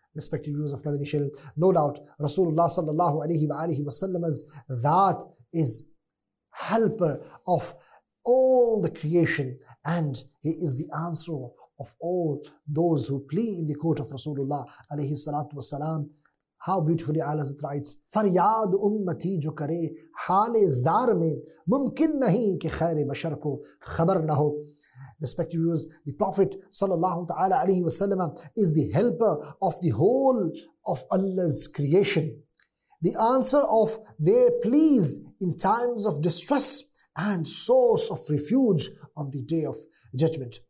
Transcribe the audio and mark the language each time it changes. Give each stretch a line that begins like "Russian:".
English: Respected viewers of Madani Shield, no doubt Rasulullah sallallahu alayhi wa alayhi wa sallam's that is helper of all the creation, and he is the answer of all those who plead in the court of Rasulullah alayhi salatu wa salam.
Urdu: How beautifully Allah Hazrat writes, فریاد امتی جو کرے حال زار میں ممکن نہیں کہ خیر بشر کو خبر نہ ہو.
English: Respected viewers, the Prophet sallallahu ta'ala alayhi wa sallam is the helper of the whole of Allah's creation, the answer of their pleas in times of distress, and source of refuge on the day of judgment.